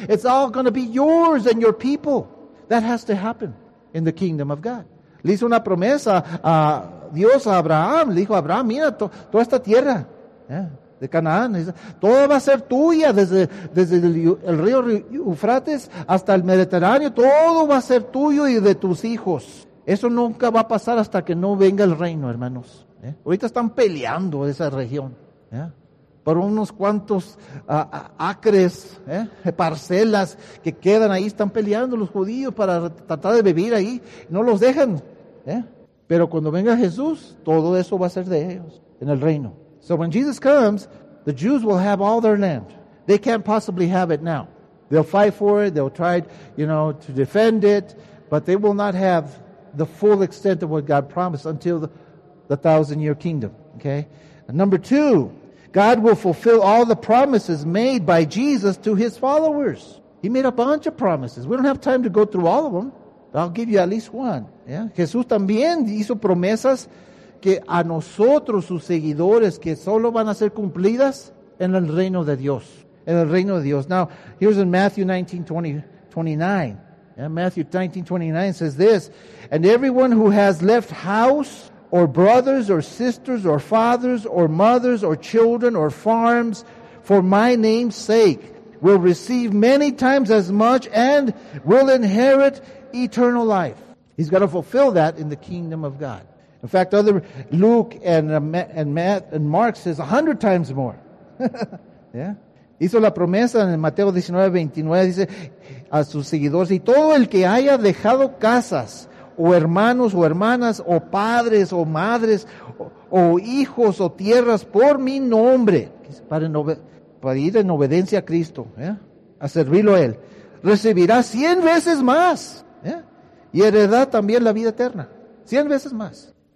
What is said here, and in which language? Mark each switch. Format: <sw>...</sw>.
<en>It's all going to be yours and your people. That has to happen in the kingdom of God.</en> <es>Le hizo una promesa a Dios a Abraham. Le dijo, Abraham, mira toda esta tierra. De Canaán, todo va a ser tuya desde el río Eufrates hasta el Mediterráneo, todo va a ser tuyo y de tus hijos. Eso nunca va a pasar hasta que no venga el reino, hermanos. ¿Eh? Ahorita están peleando esa región. ¿Eh? por unos cuantos acres, parcelas que quedan ahí. Están peleando los judíos para tratar de vivir ahí, no los dejan. Pero cuando venga Jesús, todo eso va a ser de ellos en el reino.</es> <en>So when Jesus comes, the Jews will have all their land. They can't possibly have it now. They'll fight for it, they'll try, you know, to defend it, but they will not have the full extent of what God promised until the thousand-year kingdom, okay? And number two, God will fulfill all the promises made by Jesus to his followers. He made a bunch of promises. We don't have time to go through all of them, but I'll give you at least one, yeah?</en> <es>Jesús también hizo promesas que a nosotros, sus seguidores, que solo van a ser cumplidas en el reino de Dios. En el reino de Dios.</es> <en>Now, here's in Matthew 19:29. Yeah, Matthew 19:29 says this, "And everyone who has left house or brothers or sisters or fathers or mothers or children or farms for my name's sake will receive many times as much and will inherit eternal life." He's going to fulfill that in the kingdom of God. In fact, other Luke and Mark says 100 times more. Yeah.</en> <es>Hizo la promesa en Mateo 19:29, dice a sus seguidores, y todo el que haya dejado casas, o hermanos, o hermanas, o padres, o madres, o hijos, o tierras, por mi nombre, para ir en obediencia a Cristo, a servirlo a Él, recibirá 100 veces más, y heredará también la vida eterna, 100 veces más.</es>